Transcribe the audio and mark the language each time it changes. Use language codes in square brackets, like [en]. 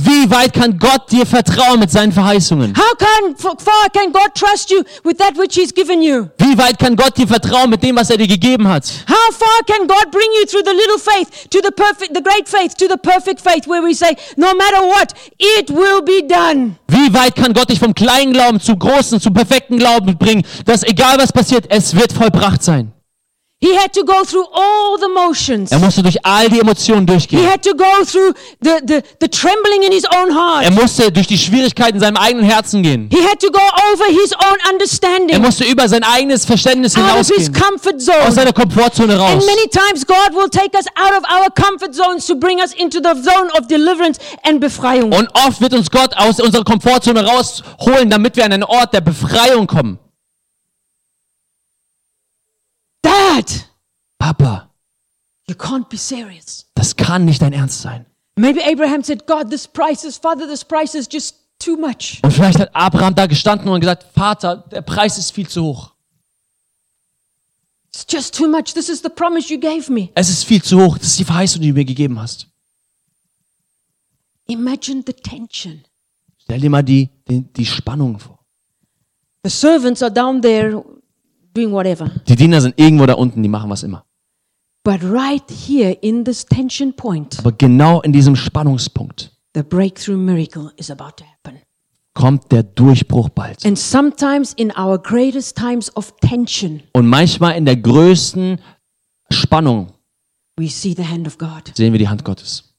[de] Wie weit kann Gott dir vertrauen mit seinen Verheißungen? [en] How far can God trust you with that which he's given you? [de] Wie weit kann Gott dir vertrauen mit dem, was er dir gegeben hat? [en] How far can God bring you through the little faith to the perfect, the great faith to the perfect faith where we say, no matter what, it will be done. [de] Wie weit kann Gott dich vom kleinen Glauben zum großen, zum perfekten Glauben bringen, dass egal was passiert, es wird vollbracht sein? [en] He had to go through all the motions. [de] Er musste durch all die Emotionen durchgehen. [en] He had to go through the trembling in his own heart. [de] Er musste durch die Schwierigkeiten in seinem eigenen Herzen gehen. [en] He had to go over his own understanding. [de] Er musste über sein eigenes Verständnis hinausgehen. [en] Out of his comfort zone. [de] Aus seiner Komfortzone raus. [en] And many times God will take us out of our comfort zones to bring us into the zone of deliverance and [de] Befreiung. Und oft wird uns Gott aus unserer Komfortzone rausholen, damit wir an einen Ort der Befreiung kommen. [en] Dad, [de] Papa, [en] you can't be serious. [de] Das kann nicht dein Ernst sein. [en] Maybe Abraham said, God, this price is, Father, this price is just too much. [de] Und vielleicht hat Abraham da gestanden und gesagt, Vater, der Preis ist viel zu hoch. [en] It's just too much. This is the promise you gave me. [de] Es ist viel zu hoch. Das ist die Verheißung, die du mir gegeben hast. [en] Imagine the tension. [de] Stell dir mal die Spannung vor. [en] The servants are down there. Doing whatever. [de] Die Diener sind irgendwo da unten, die machen was immer. [en] But right here in this tension point, [de] aber genau in diesem Spannungspunkt, [en] the breakthrough miracle is about to happen. [de] Kommt der Durchbruch bald. [en] And sometimes in our greatest times of tension, [de] und manchmal in der größten Spannung, [en] we see the hand of God. [de] Sehen wir die Hand Gottes.